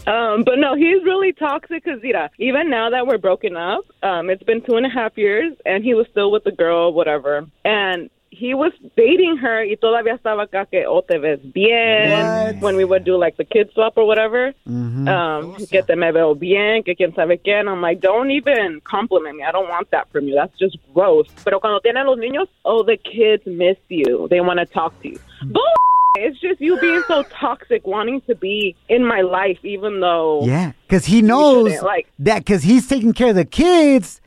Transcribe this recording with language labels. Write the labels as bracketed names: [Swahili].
[English] But no, he's really toxic because, mira, even now that we're broken up, it's been 2.5 years, and he was still with the girl, whatever. [Spanish] And he was dating her, y todavía estaba acá que o te ves bien. [English] What? When we would do like the kid swap or whatever. Mm-hmm. [Spanish] Que te me veo bien, que quién sabe quién. [English] I'm like, don't even compliment me. I don't want that from you. That's just gross. Pero cuando tienen los niños, oh, the kids miss you. They want to talk to you. Mm-hmm. Bull. It's just you being so toxic, wanting to be in my life, even though. Yeah, because he knows like, that because he's taking care of the kids.